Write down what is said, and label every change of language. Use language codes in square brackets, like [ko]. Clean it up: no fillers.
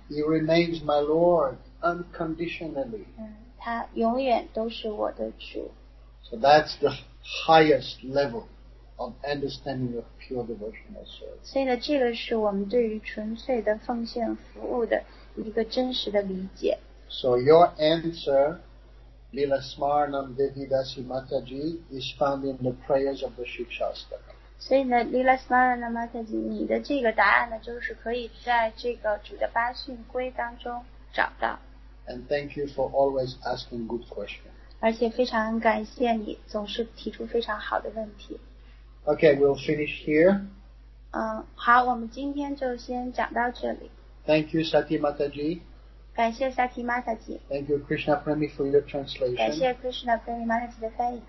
[en] He remains my Lord unconditionally. [zh] 他永远都是我的主。 [en] So that's the highest level. Of understanding of pure devotional service. [zh] 所以呢，这个是我们对于纯粹的奉献服务的一个真实的理解。 [en] So your answer, Lila Smaranam Devi Dasi Mataji, is found in the prayers of the Shikshastra. [zh] 所以呢 ，Lila Smaranam Mataji， 你的这个答案呢，就是可以在这个主的八训规当中找到。 [en] And thank you for always asking good questions. [zh] 而且非常感谢你总是提出非常好的问题。 [en] Okay, we'll finish here. [zh] 好，我们今天就先讲到这里。 [en] Thank you, Sati Mataji. [zh] 感谢 Sati Mataji. [en] Thank you, Krishna Premi, for your translation. [zh] 感谢 Krishna Premi Mataji 的翻译。